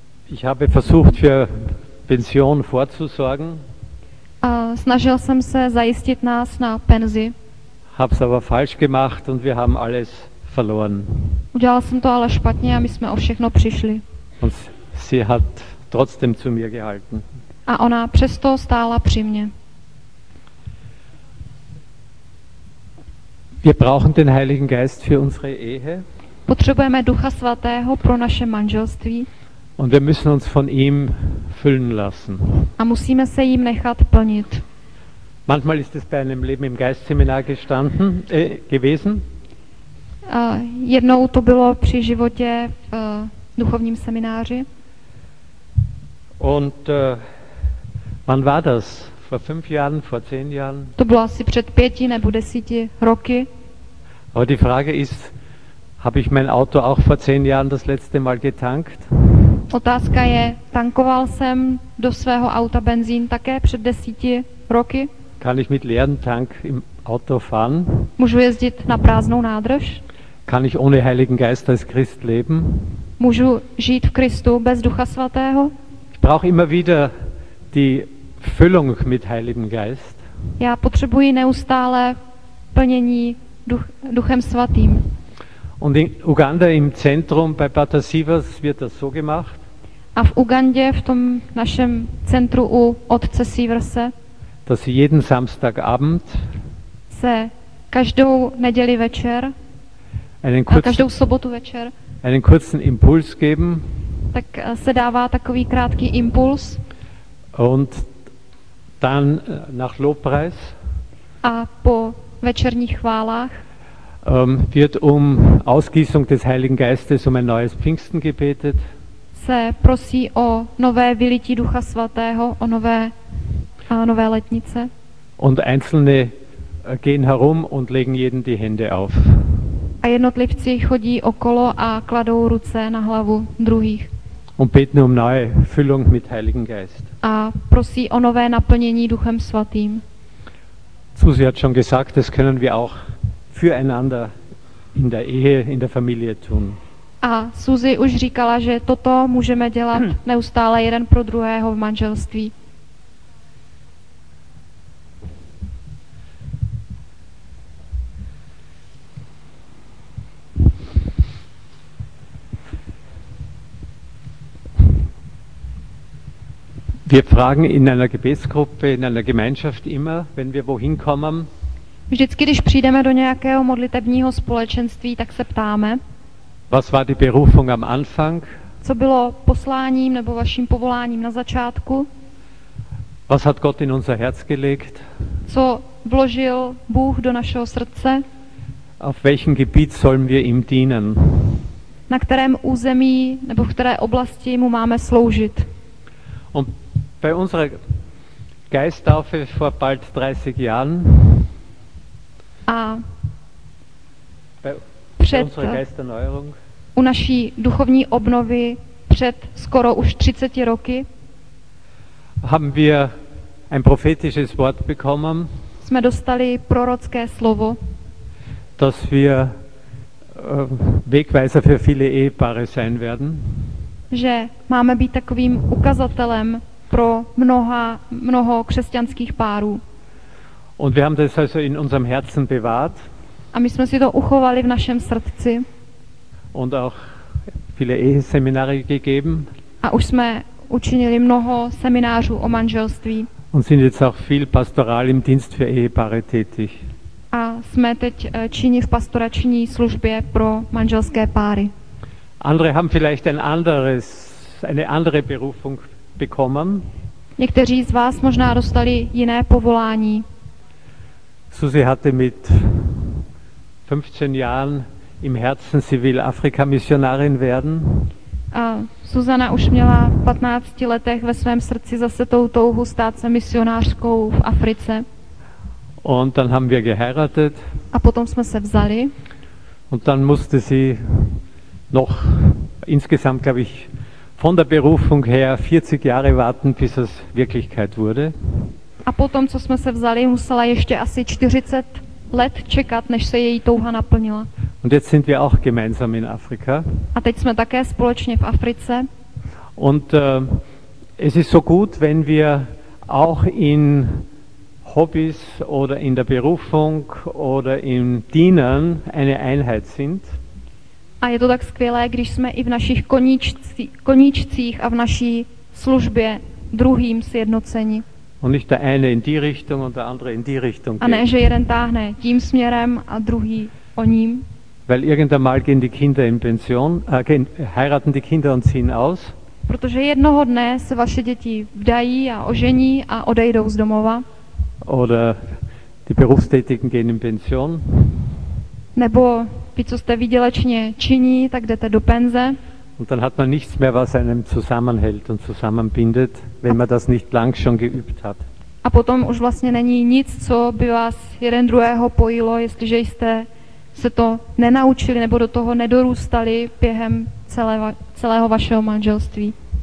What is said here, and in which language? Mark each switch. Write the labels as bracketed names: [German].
[German] Ich habe versucht für Pension vorzusorgen. [Czech] Snažil jsem se zajistit nás na penzi. [German] Hab's aber falsch gemacht und wir haben alles verloren. [Czech] Udělal jsem to ale špatně a my jsme o všechno přišli. [German] Und sie hat trotzdem zu mir gehalten. [Czech] A ona přesto stála při mně. [German] Wir brauchen den Heiligen Geist für unsere Ehe. [Czech] Potřebujeme Ducha Svatého pro naše manželství. [German] Und wir müssen uns von ihm füllen lassen. [Czech] A musíme se jím nechat plnit. [German] Manchmal ist es bei einem Leben im Geistseminar gestanden gewesen. [Czech] Jednou to bylo při životě v duchovním semináři. [German] Und wann war das? Vor 5 Jahren, vor 10 Jahren? [Czech] To bylo asi před 5 nebo 10 roky. [German] Aber die Frage ist, habe ich mein Auto auch vor 10 Jahren das letzte Mal getankt? [Czech] Otázka je, tankoval jsem do svého auta benzín také před 10 roky? [German] Kann ich mit leerem Tank im Auto fahren? [Czech] Můžu jezdit na prázdnou nádrž? [German] Kann ich ohne Heiligen Geist als Christ leben? [Czech] Můžu žít v Kristu bez Ducha Svatého? [German] Ich brauche immer wieder die Füllung mit Heiligen Geist. [Czech] Já potřebuji neustále plnění Duchem Svatým. [German] Und in Uganda im Zentrum bei Patasivas wird das so gemacht. [Czech] A v Ugandě v tom našem centru u otce Siverse. [German] Dass sie jeden Samstagabend [Czech] se každou neděli večer každou sobotu večer [German] einen kurzen Impuls geben. [Czech] Tak se dává takový krátký impuls. [German] Und dann nach Lobpreis. [Czech] A po večerních chválách [German] Wird um Ausgießung des Heiligen Geistes um ein neues Pfingsten gebetet. [Czech] Se prosí o nové vylití Ducha Svatého, o nové nové letnice. [German] Und einzelne gehen herum und legen jeden die Hände auf. [Czech] A jednotlivci chodí okolo a kladou ruce na hlavu druhých. [German] Und beten um neue Füllung mit Heiligen Geist. [Czech] A prosí o nové naplnění Duchem Svatým. [German] Susi hat schon gesagt, das können wir auch füreinander in der Ehe, in der Familie tun. [Czech] A Susi už říkala, že toto můžeme dělat neustále jeden pro druhého v manželství. [German] Wir fragen in einer Gebetsgruppe, in einer Gemeinschaft immer, wenn wir wohin kommen. [Czech] Vždycky, když přijdeme do nějakého modlitebního společenství, tak se ptáme. [German] Was war die Berufung am Anfang? [Czech] Co bylo posláním nebo vaším povoláním na začátku? [German] Was hat Gott in unser Herz gelegt? [Czech] Co vložil Bůh do našeho srdce? [German] Auf welchem Gebiet sollen wir ihm dienen? [Czech] Na kterém území nebo v které oblasti mu máme sloužit? [German] Und bei unserer Geisttaufe vor bald 30 Jahren. [Czech] A [German] bei unserer Geisterneuerung. [Czech] U naší duchovní obnovy před skoro už 30 roky. [German] Haben wir ein prophetisches Wort bekommen? [Czech] Jsme dostali prorocké slovo. [German] Dass wir Wegweiser für viele Ehepaare sein werden. [Czech] Že máme být takovým ukazatelem pro mnoho křesťanských párů. [German] Und wir haben das also in unserem Herzen bewahrt. [Czech] A my jsme si to uchovali v našem srdci. [German] Und auch viele Eheseminare gegeben. [Czech] A už jsme učinili mnoho seminářů o manželství. [German] Und sind jetzt auch viel pastoral im Dienst für Ehepaare tätig. [Czech] A jsme teď činí v pastorační službě pro manželské páry. [German] Andere haben vielleicht eine andere Berufung bekommen. [Czech] Někteří z vás možná dostali jiné povolání. [German] Susi hatte mit 15 Jahren im Herzen, sie will Afrika-Missionarin werden. [Czech] A Susana už měla v 15 letech ve svém srdci zase tou touhu stát se misionářkou v Africe. [German] Und dann haben wir geheiratet. [Czech] A potom jsme se vzali. [German] Und dann musste sie noch insgesamt, glaube ich, von der Berufung her 40 Jahre warten, bis es Wirklichkeit wurde. [Czech] A potom, co jsme se vzali, musela ještě asi 40 let čekat, než se její touha naplnila. [German] Und jetzt sind wir auch gemeinsam in Afrika. [Czech] A teď jsme také společně v Africe. [German] Und es ist so gut, wenn wir auch in Hobbys oder in der Berufung oder im Dienen eine Einheit sind. [Czech] A je to tak skvělé, když jsme i v našich koníčcích a v naší službě druhým sjednoceni. [German] Und nicht der eine in die Richtung und der andere in die Richtung. [Czech] A ne, že jeden táhne tím směrem a druhý o ním. [German] Weil irgendwann mal gehen die Kinder in Pension, heiraten die Kinder und ziehen aus. [Czech] Protože jednoho dne se vaše děti vdají a ožení a odejdou z domova. [German] Oder die Berufstätigen gehen in Pension. [Czech] Nebo vy, co jste výdělečně činí, tak jdete do penze. [German] Und dann hat man nichts mehr, was einem zusammenhält und zusammenbindet, wenn man das nicht lang schon geübt hat. [Czech] A potom už vlastně není nic, co by vás jeden druhého pojilo, jestliže jste se to nenaučili nebo do toho nedorůstali během celého vašeho manželství.